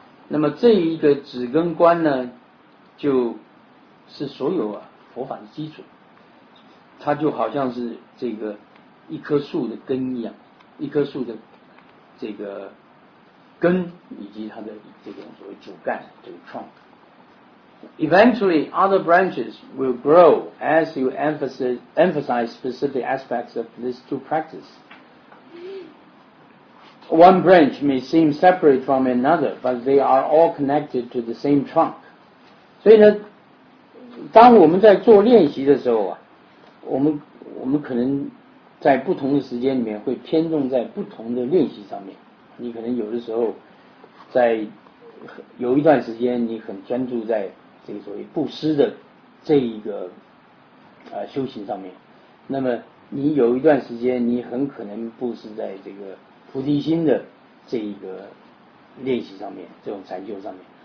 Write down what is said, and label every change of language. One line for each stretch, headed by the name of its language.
Chinese: 那么这一个止跟观呢，就是所有啊佛法的基础，它就好像是这个一棵树的根一样，一棵树的这个根以及它的这种所谓主干，这个 trunk。
English: Eventually, other branches will grow as you emphasize specific aspects of these two practices. One branch may seem separate from another, but they are all connected to the same trunk.
Chinese: 所以呢，当我们在做练习的时候啊，我们可能在不同的时间里面会偏重在不同的练习上面。你可能有的时候在有一段时间你很专注在这个所谓布施的这一个修行上面，那么你有一段时间你很可能布施在这个菩提心的这一个练习上面，这种禅修上面。